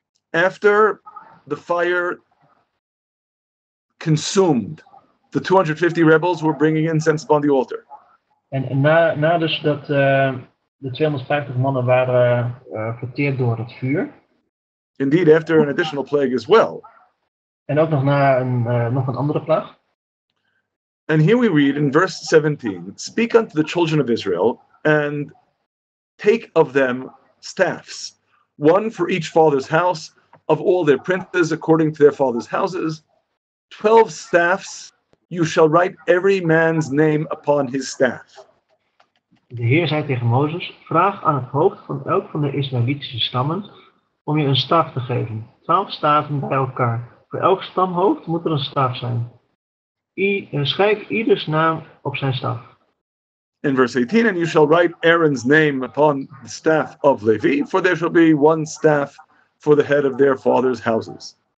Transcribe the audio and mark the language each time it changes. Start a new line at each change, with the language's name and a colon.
English: After the fire consumed, the 250 rebels were bringing incense upon the altar.
Dutch: En na dus dat de 250 mannen waren verteerd door het vuur.
English: Indeed, after an additional plague as well.
Dutch: En ook nog na nog een andere plaag.
English: And here we read in verse 17, speak unto the children of Israel, and take of them staffs, one for each father's house, of all their princes according to their father's houses. 12 staffs, you shall write every man's name upon his staff.
Dutch: De Heer zei tegen Mozes, vraag aan het hoofd van elk van de Israëlitische stammen om je een staf te geven. 12 staven bij elkaar. Voor elk stamhoofd moet er een staf zijn. Schrijf ieders naam op zijn staf.
English: In verse 18, and you shall write Aaron's name upon the staff of Levi, for there shall be one staff for the head of their father's houses.